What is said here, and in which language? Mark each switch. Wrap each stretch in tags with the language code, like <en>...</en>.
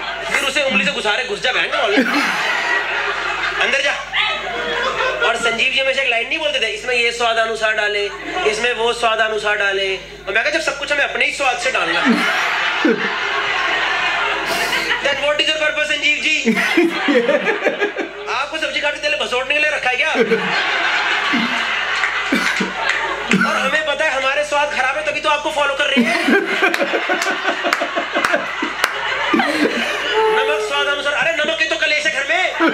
<hi>फिर उसे उंगली से घुसा रहे, घुस जा बैंक वाले अंदर जा. और संजीव जी हमेशा एक लाइन नहीं बोलते थे, इसमें ये स्वाद अनुसार डाले, इसमें वो स्वाद अनुसार डाले. और मैं कहा जब सब कुछ हमें अपने ही स्वाद से डालना है</hi> <en>Then what is your purpose, Sanjeev ji?</en> <hi>आपको सब्जी काटने के लिए भसोड़ने के लिए रखा है क्या? और हमें पता है हमारे स्वाद खराब है तभी तो आपको फॉलो कर रही है. नमक स्वाद अनुसार. अरे नमक की तो कलेश है घर में.</hi>